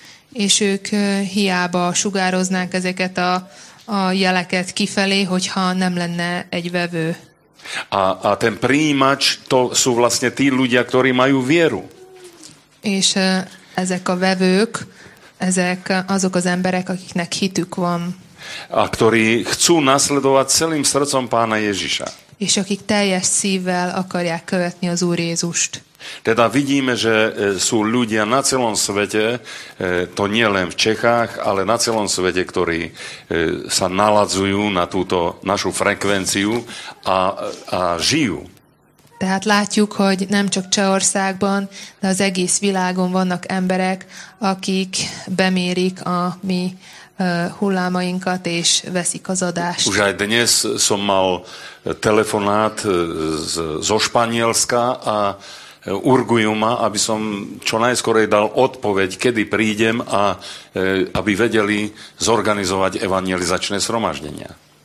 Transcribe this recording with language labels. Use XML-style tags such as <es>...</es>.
<hu>És ők hiába sugároznák ezeket a jeleket kifelé, hogyha nem lenne egy vevő.</hu> <sk>A ten príjimač, to sú vlastne tí ľudia, ktorí majú vieru.</sk> <hu>És ezek a vevők, ezek azok az emberek, akiknek hitük van.</hu> <sk>A ktorí chcú nasledovať celým srdcom Pána Ježiša.</sk> <hu>És akik teljes szívvel akarják követni az Úr Jézust.</hu> <sk>Teda vidíme, že sú ľudia na celom svete, to nie len v Čechách, ale na celom svete, ktorí sa naladzujú na túto našu frekvenciu a žijú.</sk> <hu>Tehát látjuk, hogy nem csak Csehországban, de az egész világon vannak emberek, akik bemérik a mi hullámainkat és veszik az adást.</hu> <sk>Už aj dnes som mal telefonát zo Španielska a urgujú ma, aby som čo najskorej dal odpoveď, kedy prídem a aby vedeli zorganizovať evangelizačné zhromaždenia.</sk>